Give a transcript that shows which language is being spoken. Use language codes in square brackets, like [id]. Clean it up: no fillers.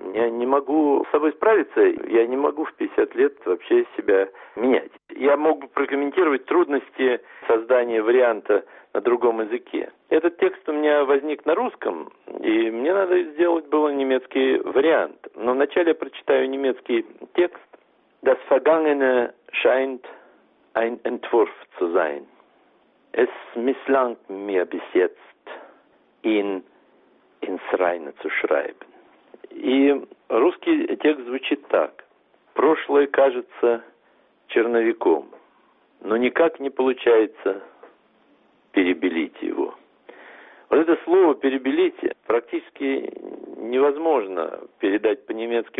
[ru] Я не могу с собой справиться, я не могу в 50 лет вообще себя менять. Я мог бы прокомментировать трудности создания варианта на другом языке. Этот текст у меня возник на русском, и мне надо сделать было немецкий вариант. Но вначале я прочитаю немецкий текст. [de] Das Vergangene scheint ein Entwurf zu sein. Es misslang mir bis jetzt, ihn ins Reine zu schreiben. [ru] И русский текст звучит так. Прошлое кажется черновиком, но никак не получается перебелить его. Вот это слово «перебелить» практически невозможно передать по-немецки.